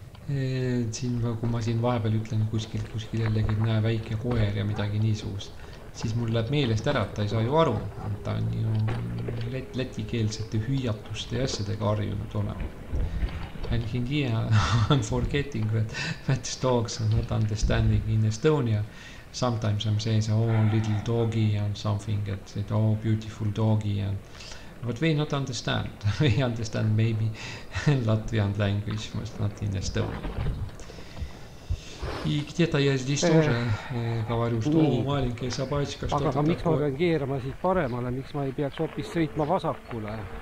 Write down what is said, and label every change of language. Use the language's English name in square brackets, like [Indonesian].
[Estonian] Siin, kui ma siin vahepeal ütlen kuskil jällegi näe väike koer ja midagi niisugust, siis mul läheb meelest ära, et ta ei saa ju aru. Ta on ju lätikeelsete hüüatuste ja asjadega harjunud olema. [English] And he I'm forgetting that Fats dogs are not understanding in Estonia. Sometimes I'm saying, oh, little doggy and something, that said, oh, beautiful doggy. And, but we not understand. We understand maybe Latvian language, but not in Estonia. [Russian] И где-то я здесь тоже говорю, что у маленькой собачки что-то такое. [Estonian] Aga miks ma pean keerama siit paremale, miks ma ei peaks hoopis sõitma vasakule?